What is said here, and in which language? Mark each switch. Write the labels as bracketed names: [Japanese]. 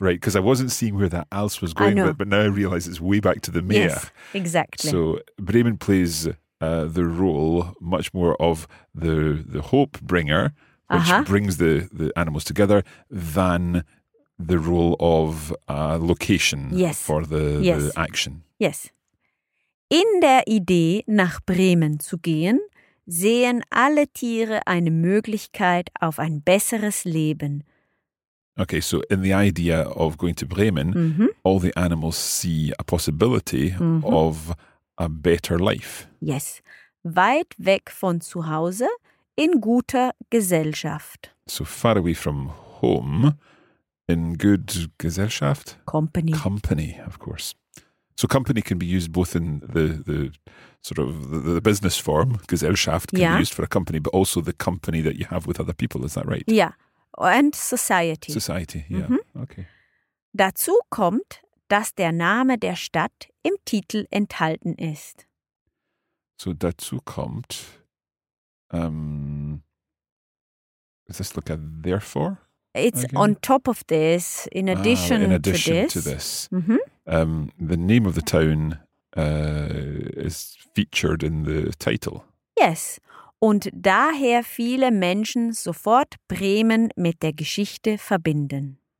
[English] Right, because I wasn't seeing where that else was going, but now I realize it's way back to the mayor. Yes, exactly. So Bremen plays the role much more of the hope bringer, which uh-huh. brings the animals together, than the role of location yes. for the, yes. the action. Yes. [German] In der Idee, nach Bremen zu gehen, sehen alle Tiere eine Möglichkeit auf ein besseres Leben. [English] Okay, so in the idea of going to Bremen, mm-hmm. all the animals see a possibility mm-hmm. of a better life. [German] Yes, weit weg von zu Hause, in guter Gesellschaft. [English] So far away from home, in good Gesellschaft? Company. Company, of course. So company can be used both in the sort of the business form, Gesellschaft can yeah. be used for a company, but also the company that you have with other people, is that right? Yeah, and society. Society, yeah, mm-hmm. okay. [German] Dazu kommt, dass der Name der Stadt im Titel enthalten ist. [English] So dazu kommt, is this like a therefore? It's again? On top of this, in addition, in addition to this. To this. Mm-hmm. The name of the town is featured in the title. Yes. [German] Und daher viele Menschen sofort Bremen mit der Geschichte verbinden.